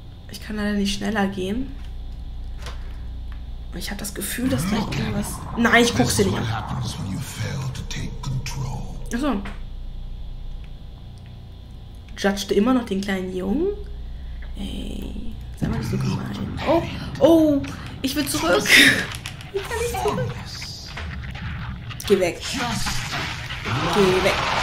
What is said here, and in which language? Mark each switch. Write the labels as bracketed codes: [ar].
[de] Ich kann leider nicht schneller gehen. Ich habe das Gefühl, dass gleich irgendwas... Nein, ich guck's dir nicht an. [en] What happens when you fail to take control? [de] Achso. judgte immer noch den kleinen Jungen. Ey, sei mal nicht so gemein. Oh, ich will zurück. Ich kann nicht zurück. Geh weg. Geh weg.